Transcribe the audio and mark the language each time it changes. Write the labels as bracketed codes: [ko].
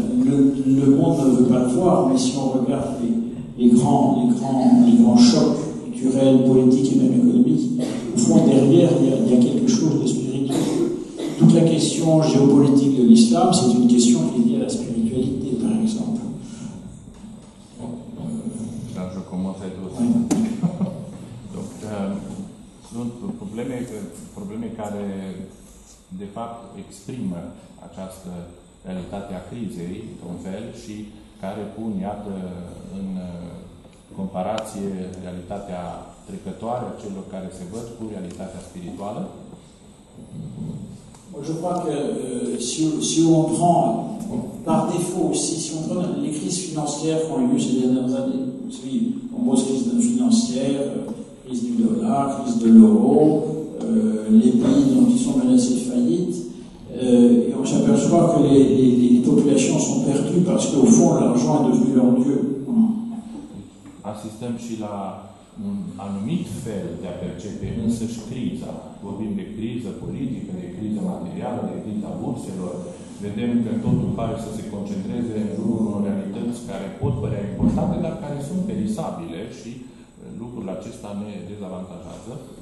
[fr] Le monde ne veut pas le voir, mais si on regarde les grands chocs culturels, politiques et même économiques, au fond, derrière, il y a quelque chose de spirituel. Toute la question géopolitique de l'islam, c'est une question qui est liée à la spiritualité, par exemple. Là, je commence à être aussi. Ouais. Donc, le problème est que [ro] de fapt exprimă această realitate a crizei într-un fel și care pun, iată, în comparație realitatea trecătoare a celor care se văd cu realitatea spirituală? [fr] Moi, je crois que si on prend par défaut aussi, si on prend les crises financières qui ont eu ces dernières années, si on pose crise financière, crise du dollar, crise de l'euro, les pays dont ils sont menacés de faillite, et on s'aperçoit que les populations sont perdues parce qu'au fond, l'argent est devenu leur dieu. [ro] Assistăm și la un anumit fel de a percepe însăși criza. Vorbim de criză politică, de criză materială, de criza burselor. Vedem că totul pare să se concentreze în jurul unor realități care pot părea importante, dar care sunt perisabile și lucrurile acestea ne dezavantajează.